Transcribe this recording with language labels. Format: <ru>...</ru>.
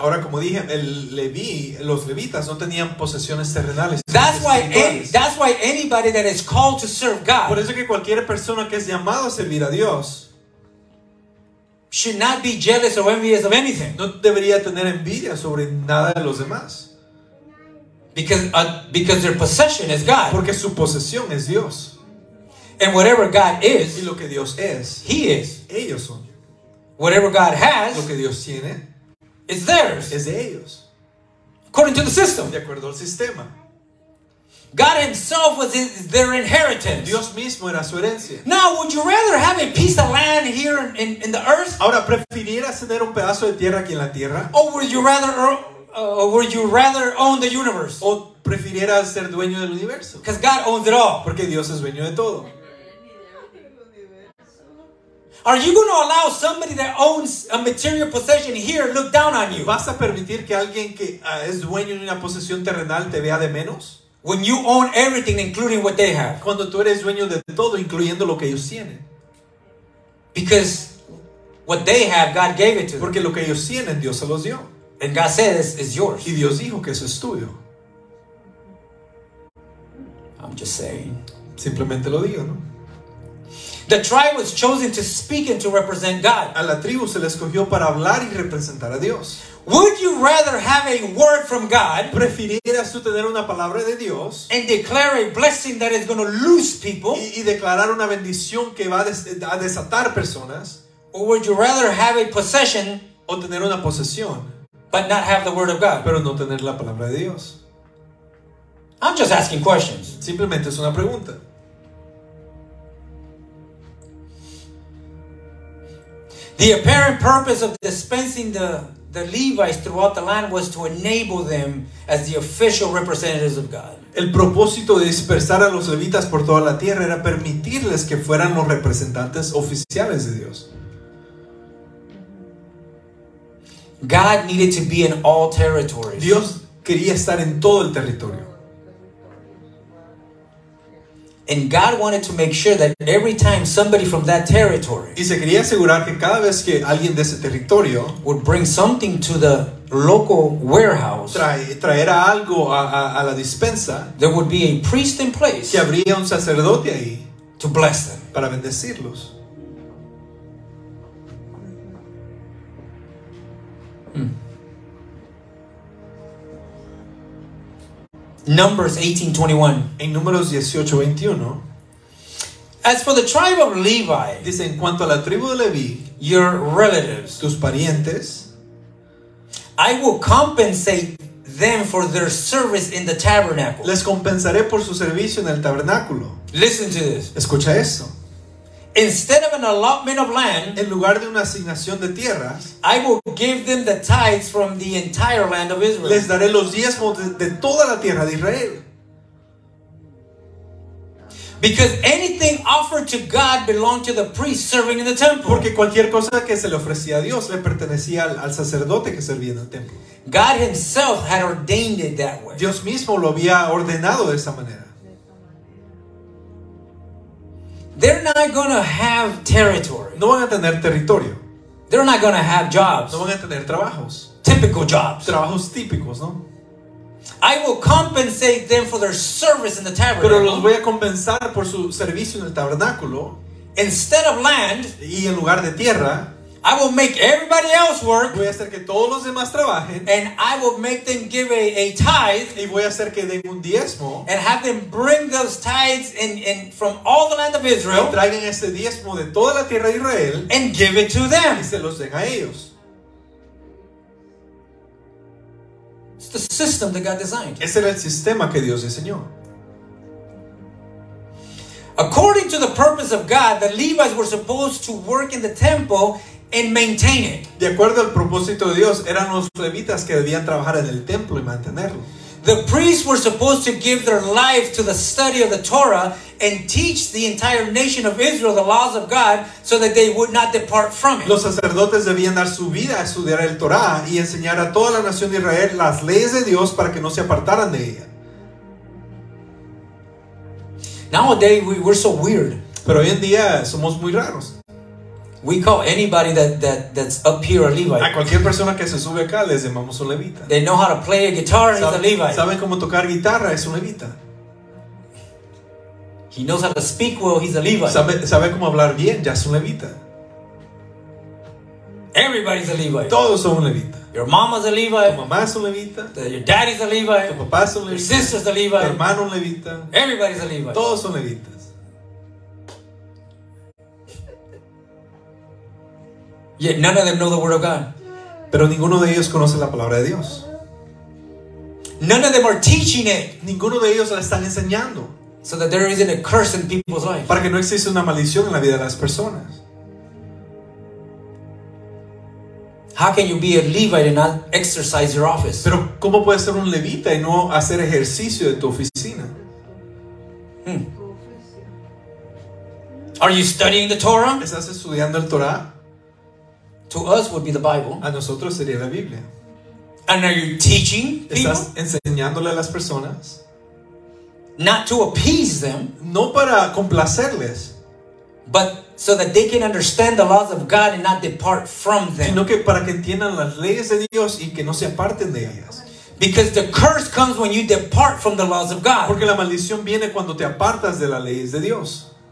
<es>Ahora, como dije, los levitas no tenían posesiones terrenales.</es> <en>That's why anybody that is called to serve God.</en> <es>Por eso que cualquier persona que es llamado a servir a Dios</es> <en>should not be jealous or envious of anything.</en> <es>No debería tener envidia sobre nada de los demás.</es> <en>Because their possession is God.</en> <es>Porque su posesión es Dios.</es> <en>And whatever God is,</en> <es>y lo que Dios es,</es> <en>He is.</en> <es>Ellos son.</es> <en>Whatever God has,</en> <es>lo que Dios tiene,</es> <en>is theirs.</en> <es>Es de ellos.</es> <en>According to the system,</en> <es>de acuerdo al sistema.</es> <en>God Himself was their inheritance.</en> <es>Dios mismo era su herencia.</es> <en>Now, would you rather have a piece of land here in the earth?</en> <es>Ahora, ¿prefirieras tener un pedazo de tierra aquí en la tierra?</es> <en>Or would you rather own the universe?</en> <es>O prefirieras ser dueño del universo.</es> <en>Because God owns it all.</en> <es>Porque Dios es dueño de todo.</es> <en>Are you going to allow somebody that owns a material possession here look down on you?</en> <es>¿Vas a permitir que alguien que es dueño de una posesión terrenal te vea de menos?</es> <en>When you own everything, including what they have.</en> <es>Cuando tú eres dueño de todo, incluyendo lo que ellos tienen.</es> <en>Because what they have, God gave it to them.</en> <es>Porque lo que ellos tienen, Dios se los dio.</es> <en>And God said, it's yours.</en> <es>Y Dios dijo que eso es tuyo.</es> <en>I'm just saying.</en> <es>Simplemente lo digo, ¿no?</es> <en>The tribe was chosen to speak and to represent God.</en> <es>A la tribu se le escogió para hablar y representar a Dios.</es> <en>Would you rather have a word from God?</en> <es>¿Prefirieras tú tener una palabra de Dios?</es> <en>And declare a blessing that is going to loose people?</en> <es>Y declarar una bendición que va a desatar personas?</es> <en>Or would you rather have a possession?</en> <es>O tener una posesión.</es> <en>But not have the word of God.</en> <es>Pero no tener la palabra de Dios.</es> <en>I'm just asking questions.</en> <es>Simplemente es una pregunta.</es> <en>The apparent purpose of dispensing the Levites throughout the land was to enable them as the official representatives of God.</en> <es>El propósito de dispersar a los levitas por toda la tierra era permitirles que fueran los representantes oficiales de Dios.</es> <en>God needed to be in all territories.</en> <es>Dios quería estar en todo el territorio.</es> <en>And God wanted to make sure that every time somebody from that territory,</en> <es>y se quería asegurar que cada vez que alguien de ese territorio,</es> <en>would bring something to the local warehouse,</en> <es>traerá algo a la dispensa,</es> <en>there would be a priest in place,</en> <es>que habría un sacerdote ahí,</es> <en>to bless them,</en> <es>para bendecirlos.</es> <en>Numbers 18:21.</en> <es>En Números 18:21.</es> <en>As for the tribe of Levi,</en> <es>dice, en cuanto a la tribu de Levi,</es> <en>your relatives,</en> <es>tus parientes,</es> <en>I will compensate them for their service in the tabernacle.</en> <es>Les compensaré por su servicio en el tabernáculo.</es> <en>Listen to this.</en> <es>Escucha eso.</es> <en>Instead of an allotment of land,</en> <es>en lugar de una asignación de tierras,</es> <en>I will give them the tithes from the entire land of Israel.</en> <es>Les daré los diezmos de toda la tierra de Israel.</es> <en>Because anything offered to God belonged to the priest serving in the temple.</en> <es>Porque cualquier cosa que se le ofrecía a Dios le pertenecía al sacerdote que servía en el templo.</es> <en>God Himself had ordained it that way.</en> <es>Dios mismo lo había ordenado de esa manera.</es> <en>They're not gonna have territory.</en> <es>No van a tener territorio.</es> <en>They're not gonna have jobs.</en> <es>No van a tener trabajos.</es> <en>Typical jobs.</en> <es>Trabajos típicos, ¿no?</es> <en>I will compensate them for their service in the tabernacle.</en> <es>Pero los voy a compensar por su servicio en el tabernáculo.</es> <en>Instead of land,</en> <es>y en lugar de tierra,</es> <en>I will make everybody else work.</en> <es>Voy a hacer que todos los demás trabajen.</es> <en>And I will make them give a tithe.</en> <es>Y voy a hacer que den un diezmo.</es> <en>And have them bring those tithes in from all the land of Israel.</en> <es>Y traigan ese diezmo de toda la tierra de Israel.</es> <en>And give it to them.</en> <es>Y se los den a ellos.</es> <en>It's the system that God designed.</en> <es>Ese era el sistema que Dios diseñó.</es> <en>According to the purpose of God, the Levites were supposed to work in the temple and maintain it.</en> <es>De acuerdo al propósito de Dios, eran los levitas que debían trabajar en el templo y mantenerlo.</es> <en>The priests were supposed to give their life to the study of the Torah and teach the entire nation of Israel the laws of God so that they would not depart from it.</en> <es>Los sacerdotes debían dar su vida a estudiar el Torah y enseñar a toda la nación de Israel las leyes de Dios para que no se apartaran de ella.</es> <en>Nowadays we're so weird.</en> <es>Pero hoy en día somos muy raros.</es> <en>We call anybody that's up here a Levite.</en> <es>A cualquier persona que se sube acá les llamamos un levita.</es> <en>They know how to play a guitar, it's a Levite.</en> <es>Saben cómo tocar guitarra, es un levita.</es> <en>He knows how to speak well, he's a Levite.</en> <es>Sabe cómo hablar bien, ya es un levita.</es> <en>Everybody's a Levite.</en> <es>Todos son un levita.</es> <en>Your mama's a Levite.</en> <es>Tu mamá es un levita.</es> <en>Your daddy's a Levite.</en> <es>Tu papá es un levita.</es> <en>Your sister's a Levite.</en> <es>Tu hermano un levita.</es> <en>Everybody's a Levite.</en> <es>Todos son levitas.</es> <en>Yet none of them know the word of God.</en> <es>Pero ninguno de ellos conoce la palabra de Dios.</es> <en>None of them are teaching it.</en> <es>Ninguno de ellos la están enseñando.</es> <en>So that there isn't a curse in people's life.</en> <es>Para que no exista una maldición en la vida de las personas.</es> <en>How can you be a Levite and not exercise your office?</en> <es>Pero ¿cómo puedes ser un levita y no hacer ejercicio de tu oficina?</es> <en>Are you studying the Torah?</en> <es>¿Estás estudiando el Torah?</es> <en>To us would be the Bible.</en> <es>A nosotros sería la Biblia.</es> <en>And are you teaching people?</en> <es>¿Estás enseñándole a las personas?</es> <en>Not to appease them.</en> <es>No para complacerles.</es> <en>But so that they can understand the laws of God and not depart from them.</en> <es>Sino que para que entiendan las leyes de Dios y que no se aparten de ellas.</es> <en>Because the curse comes when you depart from the laws of God.</en> <es>Porque la maldición viene cuando te apartas de las leyes de Dios.</es>